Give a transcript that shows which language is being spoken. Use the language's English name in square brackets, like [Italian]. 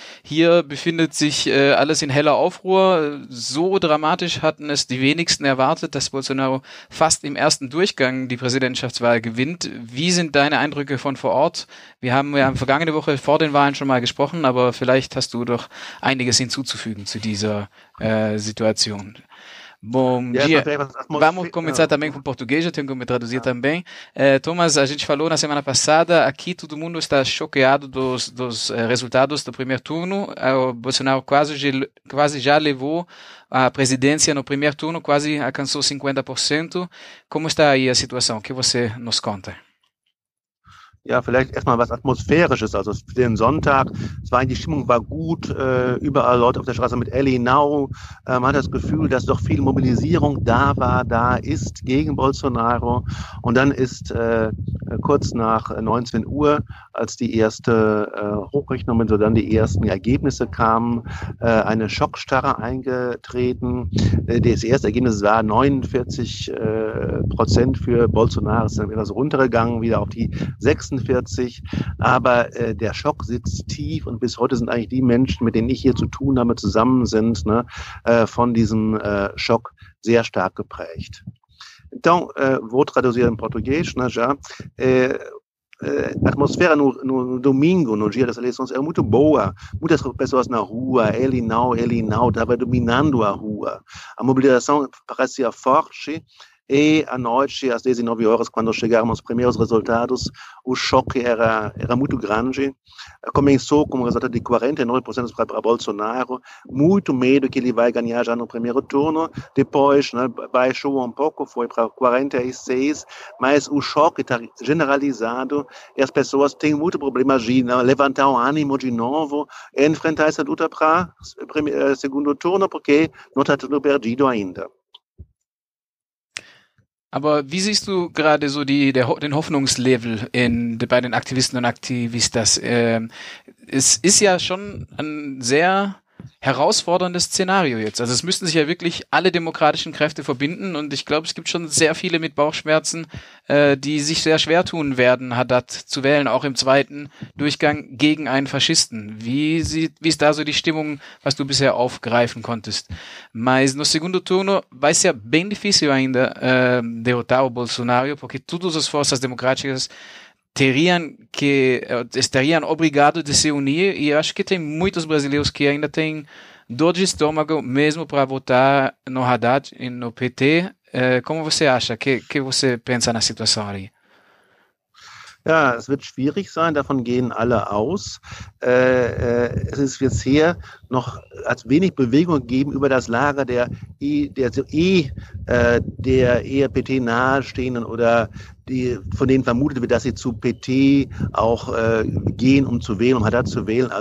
[German] Hier befindet sich alles in heller Aufruhr. So dramatisch hatten es die wenigsten erwartet, dass Bolsonaro fast im ersten Durchgang die Präsidentschaftswahl gewinnt. Wie sind deine Eindrücke von vor Ort? Wir haben ja vergangene Woche vor den Wahlen schon mal gesprochen, aber vielleicht hast du doch einiges hinzuzufügen zu dieser Situation. [Portuguese] Bom dia. Vamos começar também com português, eu tenho que me traduzir também. Thomas, a gente falou na semana passada, aqui todo mundo está choqueado dos resultados do primeiro turno. O Bolsonaro quase já levou a presidência no primeiro turno, quase alcançou 50%. Como está aí a situação? O que você nos conta? [German] Ja, vielleicht erstmal was Atmosphärisches, also für den Sonntag. Die Stimmung war gut, überall Leute auf der Straße mit Ellie Now. Man hat das Gefühl, dass doch viel Mobilisierung da ist gegen Bolsonaro. Und dann ist kurz nach 19 Uhr, als die erste Hochrechnung, also dann die ersten Ergebnisse kamen, eine Schockstarre eingetreten. Das erste Ergebnis war 49% für Bolsonaro. Es ist dann etwas runtergegangen, wieder auf die 46, aber der Schock sitzt tief, und bis heute sind eigentlich die Menschen, mit denen ich hier zu tun habe, zusammen sind, ne, von diesem Schock sehr stark geprägt. [Portuguese] Então, vou traduzir em português, né, já. A atmosfera no domingo, no dia das eleições, era muito boa. Muitas pessoas na rua, ele não, estava dominando a rua. A mobilização parecia forte. E à noite, às 19 horas, quando chegaram os primeiros resultados, o choque era muito grande. Começou com um resultado de 49% para Bolsonaro. Muito medo que ele vai ganhar já no primeiro turno. Depois, né, baixou um pouco, foi para 46%. Mas o choque está generalizado e as pessoas têm muito problema de, né, levantar o ânimo de novo e enfrentar essa luta para segundo turno, porque não está tudo perdido ainda. [German] Aber wie siehst du gerade so den Hoffnungslevel bei den Aktivisten und Aktivistas? Es ist ja schon ein sehr herausforderndes Szenario jetzt. Also es müssten sich ja wirklich alle demokratischen Kräfte verbinden, und ich glaube, es gibt schon sehr viele mit Bauchschmerzen, die sich sehr schwer tun werden, Haddad zu wählen, auch im zweiten Durchgang gegen einen Faschisten. Wie ist da so die Stimmung, was du bisher aufgreifen konntest? [Portuguese] Mas no segundo turno vai ser bem difícil ainda derrotar o Bolsonaro, porque todas as forças democráticas terían que estarían obrigados de se unir, e acho que tem muitos brasileiros que ainda têm dor de estômago mesmo para votar no Haddad e no PT. Como você acha? Que você pensa na situação aí? [German] Ja, es wird schwierig sein, davon gehen alle aus. Es ist bisher noch als wenig Bewegung gegeben über das Lager der eher PT nahestehenden oder die, von denen vermutet wird, dass sie zu PT auch gehen, um zu wählen, um Haddad zu wählen.